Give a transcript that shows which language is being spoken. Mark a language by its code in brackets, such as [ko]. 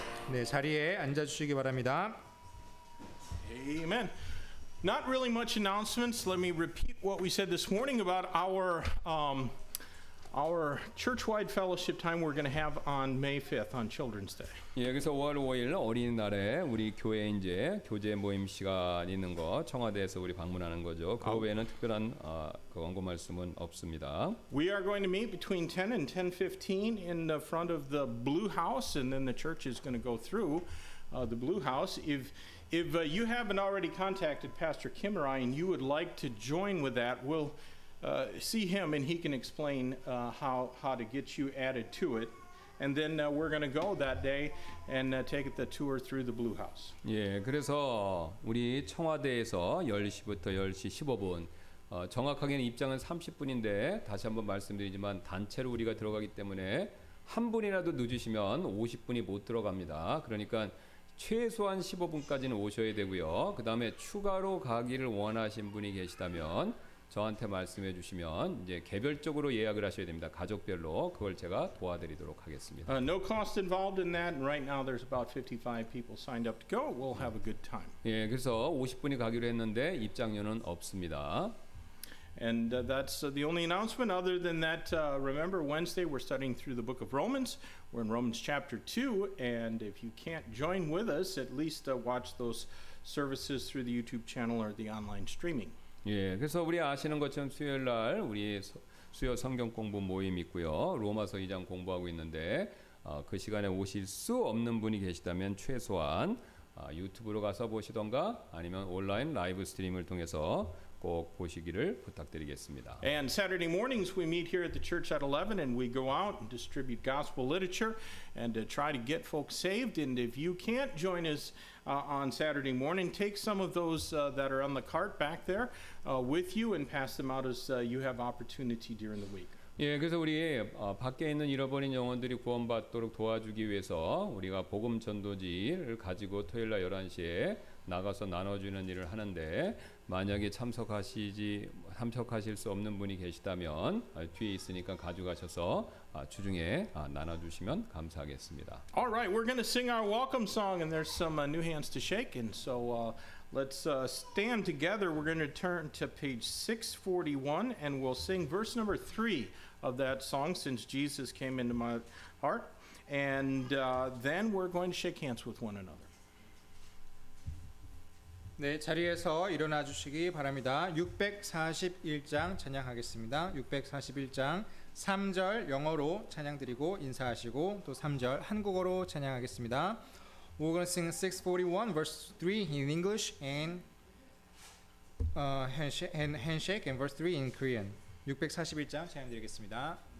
[ko] 네 자리에 앉아주시기 바랍니다 [en] Amen. Not really much announcements. Let me repeat what we said this morning about our church-wide fellowship time we're going to have on May 5th on Children's Day. [ko] 예, 그래서 5월 5일 어린이날에 우리 교회 이제 교제 모임 시간 있는 거 청와대에서 우리 방문하는 거죠. 그 외에는 특별한 그 원고 말씀은 없습니다. [en] We are going to meet between 10 and 10:15 in the front of the blue house, and then the church is going to go through the blue house. If you haven't already contacted Pastor Kim or I and you would like to join with that, we'll see him and he can explain how to get you added to it. And then we're going to go that day and take the tour through the Blue House. [ko] 예, 그래서 우리 청와대에서 10시부터 10시 15분, 정확하게는 입장은 30분인데 다시 한번 말씀드리지만 단체로 우리가 들어가기 때문에 한 분이라도 늦으시면 50분이 못 들어갑니다. 그러니까 최소한 15분까지는 오셔야 되고요. 그 다음에 추가로 가기를 원하신 분이 계시다면 저한테 말씀해 주시면 이제 개별적으로 예약을 하셔야 됩니다. 가족별로 그걸 제가 도와드리도록 하겠습니다. [en] No cost involved in that. Right now there's about 55 people signed up to go. We'll have a good time. [ko] 예, 그래서 50분이 가기로 했는데 입장료는 없습니다. [en] And that's the only announcement. Other than that, remember Wednesday we're studying through the book of Romans. We're in Romans chapter 2. And if you can't join with us, at least watch those services through the YouTube channel or the online streaming. [ko] 예, 그래서 우리 아시는 것처럼 수요일 날 우리 수요 성경 공부 모임 있고요. 로마서 2장 공부하고 있는데 그 시간에 오실 수 없는 분이 계시다면 최소한 유튜브로 가서 보시던가 아니면 온라인 라이브 스트림을 통해서 꼭 보시기를 부탁드리겠습니다. [en] And Saturday mornings we meet here at the church at 11 and we go out and distribute gospel literature and to try to get folks saved. And if you can't join us on Saturday morning, take some of those that are on the cart back there with you and pass them out as you have opportunity during the week. [ko] 예, 그래서 우리 밖에 있는 잃어버린 영혼들이 구원받도록 도와주기 위해서 우리가 복음 전도지를 가지고 토요일 날 11시에 나가서 나눠주는 일을 하는데 만약에 참석하실 수 없는 분이 계시다면 뒤에 있으니까 가져가셔서 주중에 나눠주시면 감사하겠습니다. [en] All right, we're going to sing our welcome song and there's some new hands to shake and so Let's stand together. We're going to turn to page 641, and we'll sing verse number 3 of that song, Since Jesus Came Into My Heart. And then we're going to shake hands with one another. [ko] 네, 자리에서 일어나 주시기 바랍니다. 641장 찬양하겠습니다. 641장 3절 영어로 찬양드리고 인사하시고 또 3절 한국어로 찬양하겠습니다. [en] We're going to sing 641 verse 3 in English and handshake and verse 3 in Korean. [ko] 641장 찬양드리겠습니다.